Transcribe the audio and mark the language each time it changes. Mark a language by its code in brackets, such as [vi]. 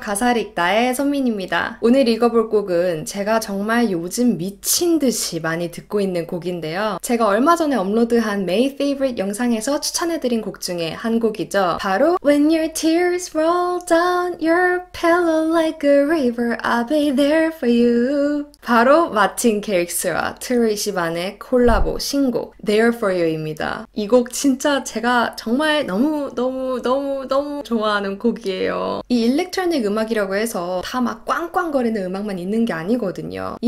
[ko] 가사를 읽다의 선민입니다. 오늘 읽어볼 곡은 제가 정말 요즘 미친 듯이 많이 듣고 있는 곡인데요. 제가 얼마 전에 업로드한 May Favorite 영상에서 추천해드린 곡 중에 한 곡이죠. [en] 바로 When your tears roll down your pillow like a river, I'll be there for you. [ko] 바로 마틴 게릭스와 트로이 시반의 콜라보 신곡 There for You입니다. 이곡 진짜 제가 정말 너무 너무 너무 너무 좋아하는 곡이에요. 이 일렉트로닉 음악이라고 해서 다막 꽝꽝거리는 음악만 있는 게 아니거든요.